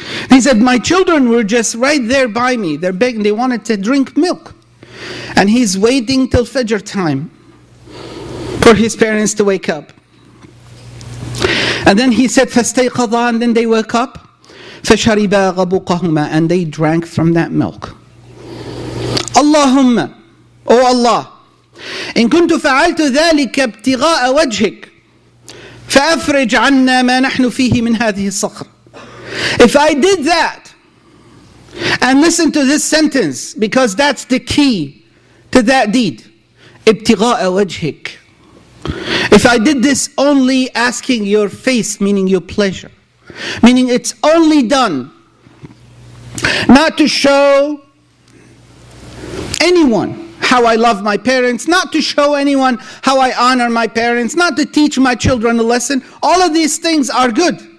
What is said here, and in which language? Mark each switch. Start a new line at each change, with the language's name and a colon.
English: He said, my children were just right there by me. They're begging, they wanted to drink milk. And he's waiting till Fajr time for his parents to wake up. And then he said,
Arabic: فَاسْتَيْقَظَا,
English: and then they woke up.
Arabic: فَشَرِبَا غَبُقَهُمَا,
English: and they drank from that milk.
Arabic: اللهم,
English: O Allah,
Arabic: إِن كُنْتُ فَعَلْتُ ذَلِكَ ابْتِغَاءَ وَجْهِكَ فَأَفْرِجْ عَنَّا مَا نَحْنُ فِيهِ مِنْ هَذِهِ الصَّخْرِ.
English: If I did that, and listen to this sentence, because that's the key to that deed.
Arabic: ابْتِغَاءَ وَجْهِكَ.
English: If I did this only asking your face, meaning your pleasure, meaning it's only done not to show anyone how I love my parents, not to show anyone how I honor my parents, not to teach my children a lesson, all of these things are good.